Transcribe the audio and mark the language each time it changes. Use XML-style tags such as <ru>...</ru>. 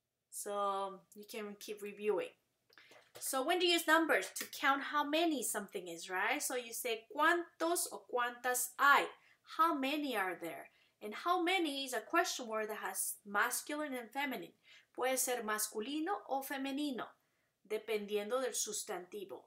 <en>So you can keep reviewing. So when do you use numbers? To count how many something is, right? So you say,</en> <es>¿cuántos o cuántas hay?</es> <en>How many are there? And how many is a question word that has masculine and feminine.</en> <es>Puede ser masculino o femenino, dependiendo del sustantivo.</es>